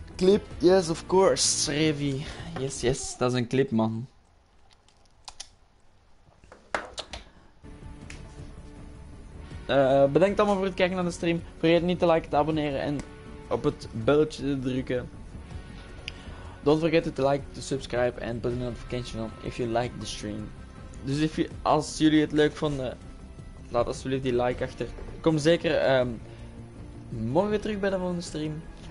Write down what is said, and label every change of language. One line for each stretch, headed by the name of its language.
English: Clip, yes, of course.
Dutch: Revy,
English: yes, yes,
Dutch: dat is een clip, man. Bedankt allemaal voor het kijken naar de stream. Vergeet niet te liken, te abonneren en op het belletje te drukken.
English: Don't forget to like, to subscribe and put a notification on if you like the stream.
Dutch: Dus als jullie het leuk vonden, laat alsjeblieft die like achter. Kom zeker morgen terug bij de volgende stream.